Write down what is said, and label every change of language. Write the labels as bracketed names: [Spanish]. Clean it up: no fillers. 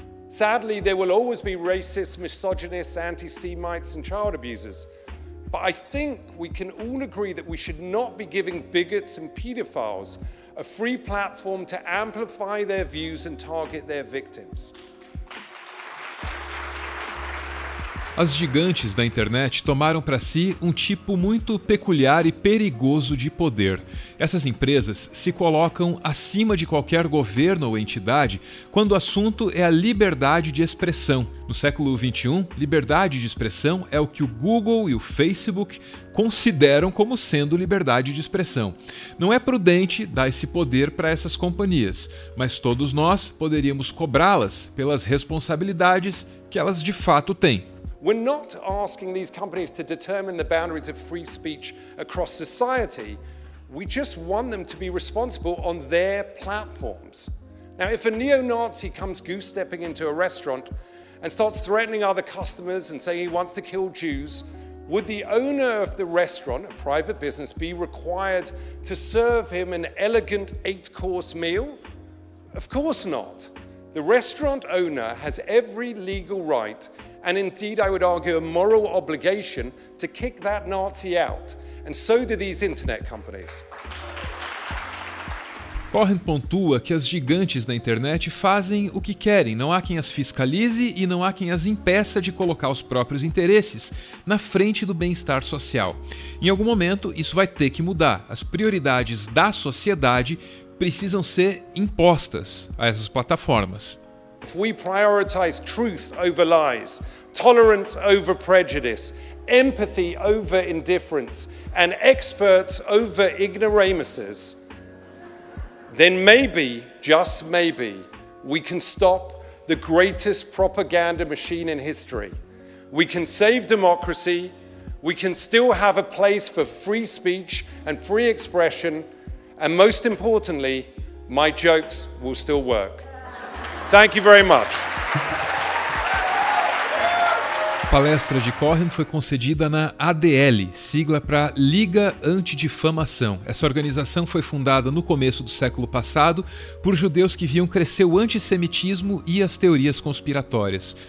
[English] Sadly, there will always be racists, misogynists, anti-Semites, and child abusers. But I think we can all agree that we should not be giving bigots and pedophiles a free platform to amplify their views and target their victims. [Portuguese] As gigantes da internet tomaram para si um tipo muito peculiar e perigoso de poder. Essas empresas se colocam acima de qualquer governo ou entidade quando o assunto é a liberdade de expressão. No século XXI, liberdade de expressão é o que o Google e o Facebook consideram como sendo liberdade de expressão. Não é prudente dar esse poder para essas companhias, mas todos nós poderíamos cobrá-las pelas responsabilidades que elas de fato têm. [English] We're not asking these companies to determine the boundaries of free speech across society. We just want them to be responsible on their platforms. Now, if a neo-Nazi comes goose-stepping into a restaurant and starts threatening other customers and saying he wants to kill Jews, would the owner of the restaurant, a private business, be required to serve him an elegant 8-course meal? Of course not. The restaurant owner has every legal right, and indeed I would argue a moral obligation, to kick that Nazi out. And so do these internet companies. [Portuguese] Cohen pontua que as gigantes da internet fazem o que querem, não há quem as fiscalize e não há quem as impeça de colocar os próprios interesses na frente do bem-estar social. Em algum momento, isso vai ter que mudar. As prioridades da sociedade precisam ser impostas a essas plataformas. [English] If we prioritize truth over lies, tolerance over prejudice, empathy over indifference, and experts over ignoramuses, then maybe, just maybe, we can stop the greatest propaganda machine in history. We can save democracy, we can still have a place for free speech and free expression. And most importantly, my jokes will still work. Thank you very much. [Portuguese] A palestra de Cohen foi concedida na ADL, sigla para Liga Antidifamação. Essa organização foi fundada no começo do século passado por judeus que viam crescer o antissemitismo e as teorias conspiratórias.